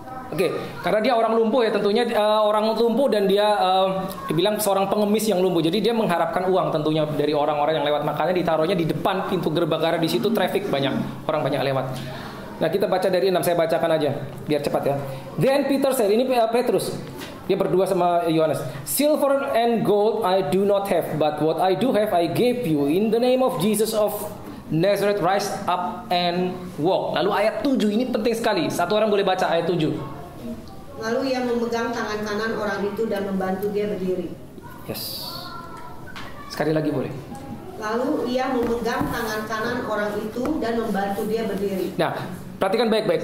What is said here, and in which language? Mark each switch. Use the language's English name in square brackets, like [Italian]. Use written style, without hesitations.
[Indonesian] Oke, karena dia orang lumpuh ya, tentunya orang lumpuh, dan dia dibilang seorang pengemis yang lumpuh. Jadi dia mengharapkan uang tentunya dari orang-orang yang lewat, makanya ditaruhnya di depan pintu gerbang, karena di situ traffic banyak, orang banyak lewat. Nah, kita baca dari 6, saya bacakan aja biar cepat ya. [English] Then Peter said, [Indonesian] ini Petrus, dia berdua sama Yohanes. [English] Silver and gold I do not have, but what I do have I give you. In the name of Jesus of Nazareth, rise up and walk. [Indonesian] Lalu ayat 7, ini penting sekali. Satu orang boleh baca ayat 7. Lalu ia memegang tangan kanan orang itu dan membantu dia berdiri. Yes. Sekali lagi boleh. Lalu ia memegang tangan kanan orang itu dan membantu dia berdiri. Nah, perhatikan baik-baik.